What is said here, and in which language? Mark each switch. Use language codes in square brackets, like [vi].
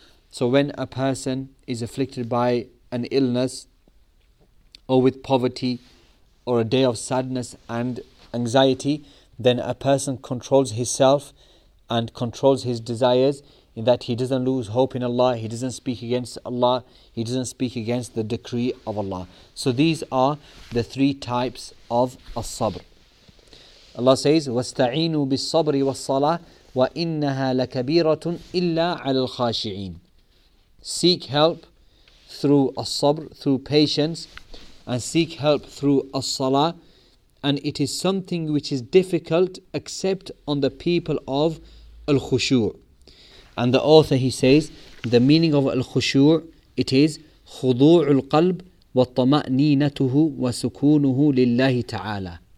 [en] So when a person is afflicted by an illness or with poverty or a day of sadness and anxiety, then a person controls himself and controls his desires in that he doesn't lose hope in Allah, he doesn't speak against Allah, he doesn't speak against the decree of Allah. So these are the three types of as-sabr. [ar] Allah says, وَاسْتَعِينُوا بِالصَّبْرِ وَالصَّلَاةِ وَإِنَّهَا لَكَبِيرَةٌ إِلَّا عَلَى الْخَاشِعِينَ. [en] Seek help through as-sabr, through patience, and seek help through as-salah, and it is something which is difficult except on the people of al-khushu'. And the author, he says, the meaning of al-khushu', it is [ar] خُضُوعُ الْقَلْبِ وَطَمَأْنِينَتُهُ وَسُكُونُهُ لِلَّهِ تَعَالَى.